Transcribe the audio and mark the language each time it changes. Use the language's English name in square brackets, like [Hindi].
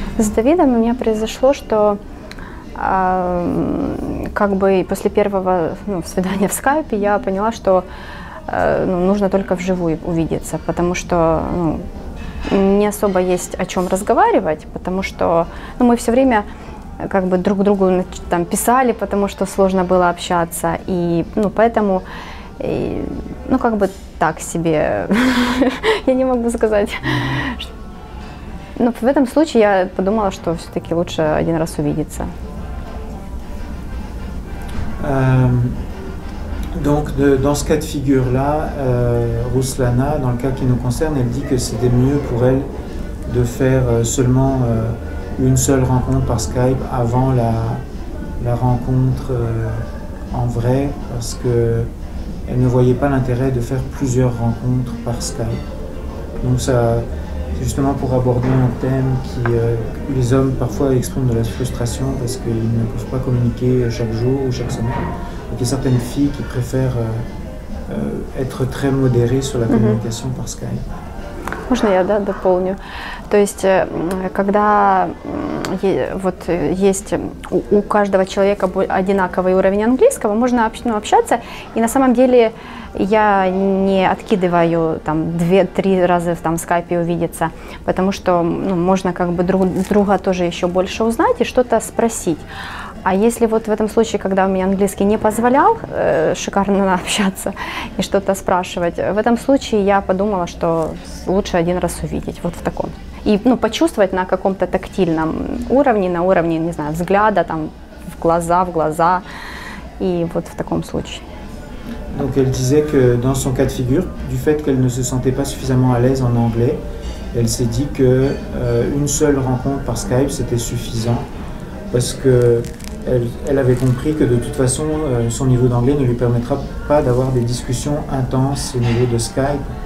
[Russian] С Давидом у меня произошло, что как бы после первого свидания в скайпе я поняла, что нужно только вживую увидеться, потому что не особо есть о чем разговаривать, потому что мы все время как бы друг другу там писали, потому что сложно было общаться, и поэтому как бы так себе, я не могу сказать. Но в этом случае я подумала, что все-таки лучше один раз увидеться. [French] Donc, dans ce cas de figure-là, Ruslana, dans le cas qui nous concerne, elle dit que c'était mieux pour elle de faire seulement une seule rencontre par Skype avant la rencontre en vrai, parce qu'elle ne voyait pas l'intérêt de faire plusieurs rencontres par Skype. Donc, ça, c'est justement pour aborder un thème qui les hommes parfois expriment de la frustration parce qu'ils ne peuvent pas communiquer chaque jour ou chaque semaine. Il y a certaines filles qui préfèrent être très modérées sur la communication par Skype. [Russian] Можно я, да, дополню? То есть, когда вот есть у каждого человека одинаковый уровень английского, можно общаться, и на самом деле я не откидываю там 2-3 раза там в скайпе увидеться, потому что можно как бы друга тоже еще больше узнать и что-то спросить. А если вот в этом случае, когда у меня английский не позволял шикарно общаться и что-то спрашивать, в этом случае я подумала, что лучше один раз увидеть, вот в таком. И почувствовать на каком-то тактильном уровне, на уровне, не знаю, взгляда, там, в глаза, и вот в таком случае. [French] Donc elle disait que dans son cas de figure, du fait qu'elle ne se sentait pas suffisamment à l'aise en anglais, elle s'est dit que une seule rencontre par Skype c'était suffisant parce que elle avait compris que de toute façon son niveau d'anglais ne lui permettra pas d'avoir des discussions intenses au niveau de Skype.